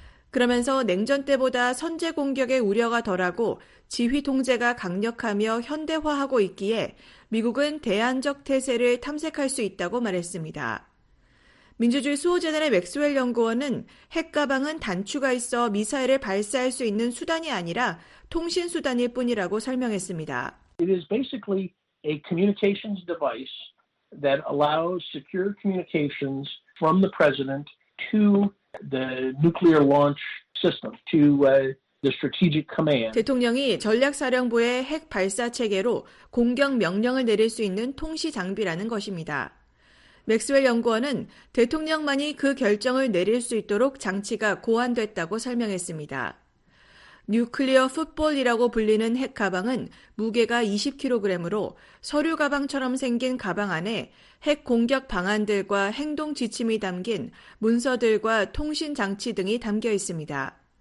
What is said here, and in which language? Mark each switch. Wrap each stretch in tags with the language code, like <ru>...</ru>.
<ko>그러면서 냉전 때보다 선제 공격의 우려가 덜하고 지휘 통제가 강력하며 현대화하고 있기에 미국은 대안적 태세를 탐색할 수 있다고 말했습니다. 민주주의 수호재단의 맥스웰 연구원은 핵 가방은 단추가 있어 미사일을 발사할 수 있는 수단이 아니라 통신 수단일 뿐이라고 설명했습니다.</ko> <en>It is basically a communications device that allows secure communications from the president to the nuclear launch system, to the strategic command.</en> <ko>대통령이 전략사령부의 핵 발사 체계로 공격 명령을 내릴 수 있는 통신 장비라는 것입니다. 맥스웰 연구원은 대통령만이 그 결정을 내릴 수 있도록 장치가 고안됐다고 설명했습니다. 뉴클리어 풋볼이라고 불리는 핵 가방은 무게가 20kg으로 서류 가방처럼 생긴 가방 안에 핵 공격 방안들과 행동 지침이 담긴 문서들과 통신 장치 등이 담겨 있습니다.</ko>